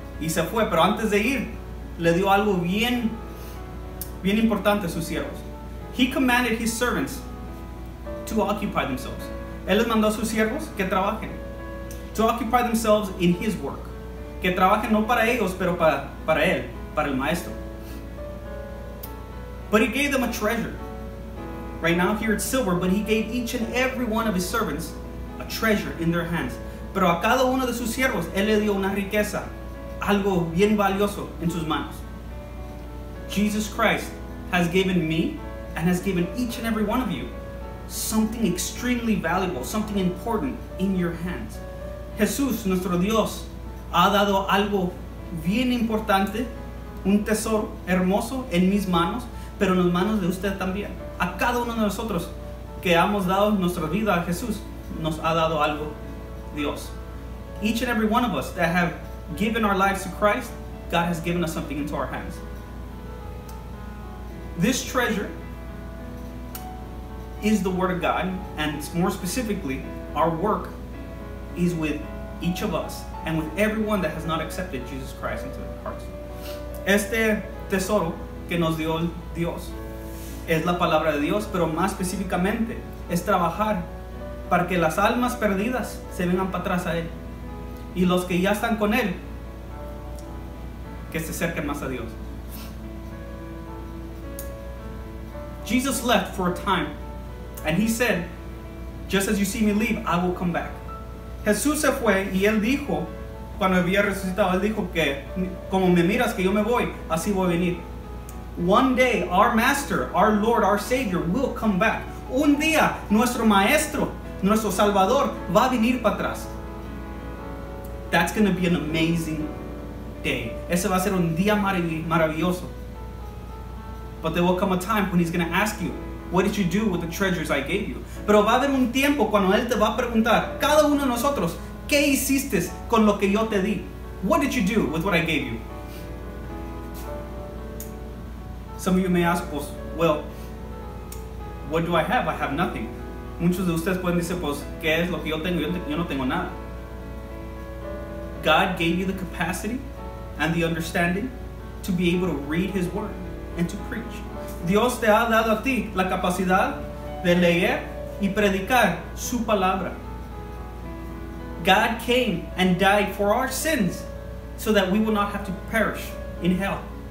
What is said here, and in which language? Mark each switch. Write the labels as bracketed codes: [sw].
[es] Y se fue, pero antes de ir, le dio algo bien, bien importante a sus siervos. [en] He commanded his servants to occupy themselves. [es] Él les mandó a sus siervos que trabajen. [en] To occupy themselves in his work. [es] Que trabajen no para ellos, pero para él, para el maestro. [en] But he gave them a treasure. Right now here it's silver, but he gave each and every one of his servants a treasure in their hands. [es] Pero a cada uno de sus siervos, él le dio una riqueza, algo bien valioso en sus manos. [en] Jesus Christ has given me and has given each and every one of you something extremely valuable, something important in your hands. [es] Jesús, nuestro Dios, ha dado algo bien importante, un tesoro hermoso en mis manos, pero en las manos de usted también. A cada uno de nosotros que hemos dado nuestra vida a Jesús, nos ha dado algo Dios. [en] Each and every one of us that have given our lives to Christ, God has given us something into our hands. This treasure is the Word of God, and more specifically, our work is with each of us and with everyone that has not accepted Jesus Christ into their hearts. [es] Este tesoro que nos dio Dios es la palabra de Dios, pero más específicamente es trabajar para que las almas perdidas se vengan para atrás a Él y los que ya están con Él que se acerquen más a Dios. [en] Jesus left for a time and He said, just as you see me leave, I will come back. [es] Jesús se fue y Él dijo, cuando había resucitado, Él dijo que como me miras que yo me voy, así voy a venir. [en] One day, our Master, our Lord, our Savior will come back. [es] Un día, nuestro Maestro, nuestro Salvador, va a venir para atrás. [en] That's going to be an amazing day. [es] Ese va a ser un día maravilloso. [en] But there will come a time when He's going to ask you, what did you do with the treasures I gave you? [es] Pero va a haber un tiempo cuando Él te va a preguntar, cada uno de nosotros, ¿qué hiciste con lo que yo te di? [en] What did you do with what I gave you? Some of you may ask, well, what do I have? I have nothing. [es] Muchos de ustedes pueden decir, pues, ¿qué es lo que yo tengo? Yo no tengo nada. [en] God gave you the capacity and the understanding to be able to read His word and to preach. [es] Dios te ha dado a ti la capacidad de leer y predicar su palabra. [en] God came and died for our sins so that we will not have to perish in hell.